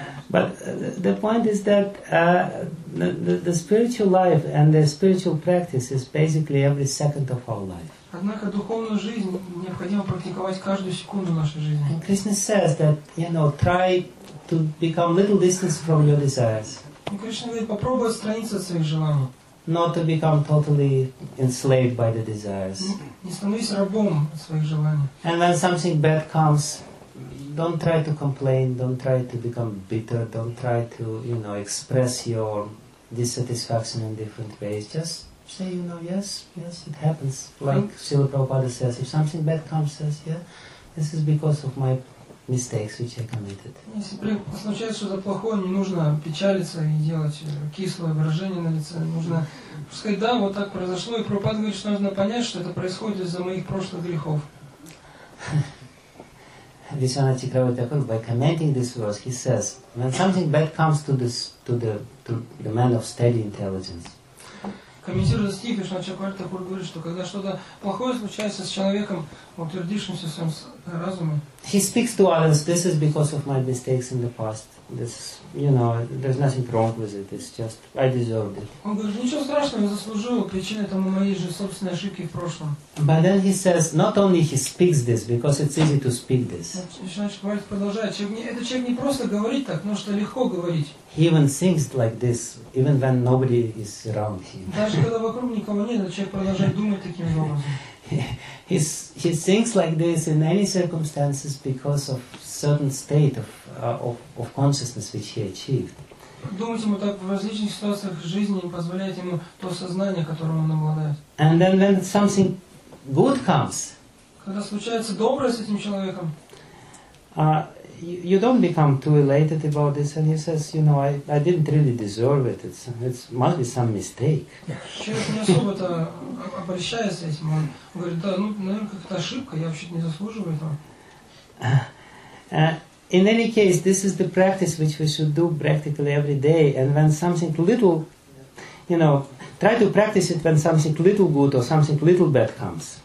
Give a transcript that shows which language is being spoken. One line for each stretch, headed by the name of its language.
English: But the point is that the spiritual life and the spiritual practice is basically every second of our life.
Russian: Однако духовную жизнь необходимо практиковать каждую секунду нашей жизни.
English: And Krishna says that, you know, try to become little distance from your desires.
Russian: И Кришна говорит, попробуй отстраниться от своих желаний.
English: Not to become totally enslaved by the desires.
Russian: Не становись рабом своих желаний.
English: And when something bad comes, don't try to complain, don't try to become bitter, don't try to, you know, express your dissatisfaction in different ways. Just say, you know, yes, it happens. Like Srila Prabhupada says, if something bad comes, says, yeah, this is because of my mistakes which I committed.
Russian: Если случается что-то плохое, не нужно печалиться и делать кислое выражение на лице. Нужно сказать, да, вот так произошло. И Прабхупада говорит, что нужно понять, что это происходит из-за моих прошлых грехов.
English: Vishwanath Chakravarti Thakur, by commenting this verse, he says, when something bad comes to the man of steady intelligence.
Russian: Комментируя стих, Vishwanath Chakravarti Thakur говорит, что когда что-то плохое случается с человеком, утвердившимся в своем разуме.
English: He speaks to others, this is because of my mistakes in the past. This, you know, there's nothing wrong with it. It's just I deserved it.
Russian: Он говорит, ничего страшного, я заслужил. Причина этому мои же собственные ошибки в прошлом.
English: But then he says, not only he speaks this, because it's easy to speak this.
Russian: Человек продолжает. Этот человек не просто говорит так, но что легко говорить.
English: He even thinks like this, even when nobody is around him.
Russian: Даже когда вокруг никого нет, этот человек продолжает думать таким образом.
English: He thinks like this in any circumstances because of certain state of consciousness which he achieved.
Russian: Думать ему так в различных ситуациях жизни позволяет ему то сознание, которым он обладает.
English: And then when something good comes,
Russian: когда случается доброе с этим человеком,
English: you don't become too elated about this, and he says, you know, I didn't really deserve it. It must be some mistake.
Russian: Человек не особо-то обращается этим. Он говорит, да, ну, наверное, какая-то ошибка. Я вообще не заслуживаю этого.
English: In any case, this is the practice which we should do practically every day. And when something little, you know, try to practice it when something little good or something little bad comes.